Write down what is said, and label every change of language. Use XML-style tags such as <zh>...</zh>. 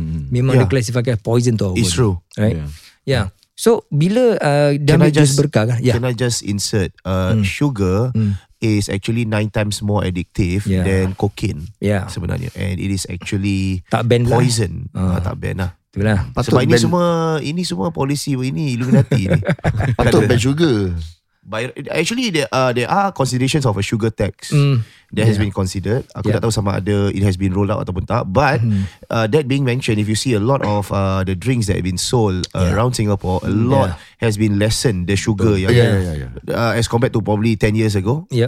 <en>Memang dia classify as poison to our it's It's true.</en> <ms>Right? Yeah. Yeah. So bila dia ambil jus berkah kan? Yeah.</ms> <en>Can I just insert sugar is actually 9 times more addictive than cocaine sebenarnya, and it is actually</en> <ms>tak ban</ms> <en>poison</en> <ms>lah. Tak ban lah. Itulah. Patut sebab ban. ini semua policy ini Illuminati ni. Patut ban sugar.</ms> <en>Actually there are considerations of a sugar tax that has been considered.</en> <ms>Aku tak tahu sama ada</ms> <en>it has been rolled out</en> <ms>ataupun tak.</ms> <en>But that being mentioned, if you see a lot of the drinks that have been sold around Singapore, a lot has been lessened the sugar as compared to probably 10 years ago.</en>